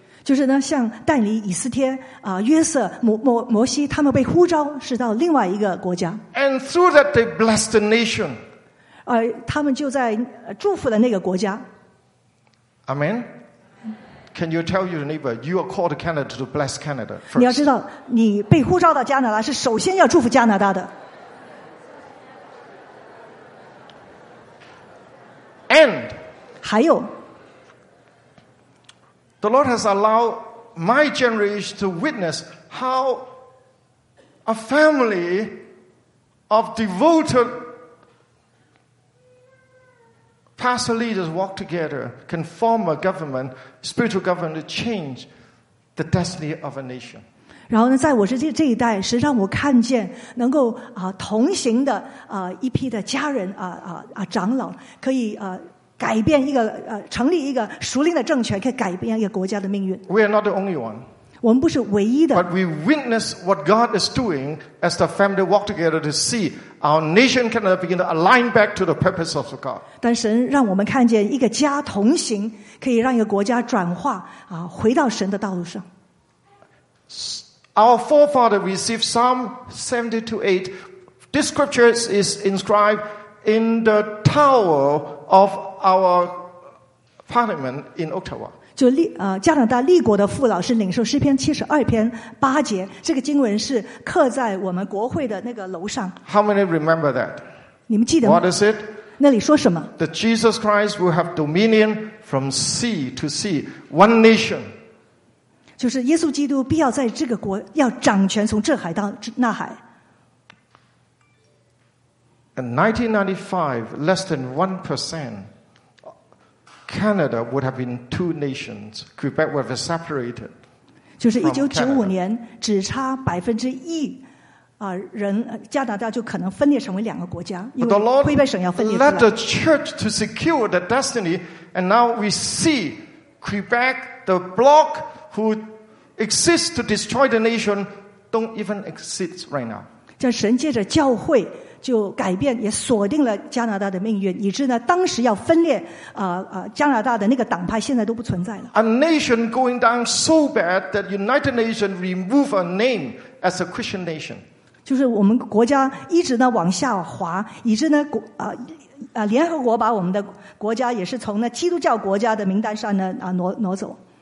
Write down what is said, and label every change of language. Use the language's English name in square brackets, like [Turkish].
[Chinese] 就是呢，像但以理、以斯帖、约瑟、摩西，他们被呼召是到另外一个国家。 [English] And through that, they blessed the nation. [Chinese] 他们就在祝福的那个国家。 [English] Amen. Can you tell your neighbor you are called to Canada to bless Canada first? [Chinese] 你要知道，你被呼召到加拿大是首先要祝福加拿大的。 [English] And [Chinese] 还有 [English] The Lord has allowed my generation to witness how a family of devoted pastor leaders walk together, can form a government, spiritual government, to change the destiny of a nation. [Chinese] 然后呢，在我是这一代，实际上我看见能够啊同行的啊一批的家人啊长老，可以啊改变一个成立一个属灵的政权，可以改变一个国家的命运。 [English] We are not the only one. [Chinese] 我们不是唯一的。 [English] But we witness what God is doing as the family walk together to see our nation can begin to align back to the purpose of God. [Chinese] 但神让我们看见一个家同行，可以让一个国家转化啊，回到神的道路上。 [English] Our forefather received Psalm 72:8. This scripture is inscribed in the tower of our parliament in Ottawa. [Chinese] 就加拿大立国的父老是领受诗篇七十二篇八节，这个经文是刻在我们国会的那个楼上。 [English] How many remember that? [Chinese] 你们记得吗 [English] ？What is it? [Chinese] 那里说什么 [English] ？That Jesus Christ will have dominion from sea to sea, one nation. [Chinese] 就是耶稣基督必要在这个国要掌权，从这海到那海。 [English] In 1995, less than 1% Canada would have been two nations. Quebec would have separated. [Chinese] 就是1995年，只差1%啊，人加拿大就可能分裂成为两个国家，因为魁北省要分裂出来。 [English] But the Lord led the church to secure the destiny, and now we see Quebec, the block who. Exists to destroy the nation, don't even exist right now. [Chinese] 这神借着教会就改变，也锁定了加拿大的命运，以致呢，当时要分裂加拿大的那个党派现在都不存在了。 [English] A nation going down so bad that United Nations remove a name as a Christian nation. [Chinese] 就是我们国家一直呢往下滑，以致呢联合国把我们的国家也是从那基督教国家的名单上呢挪走。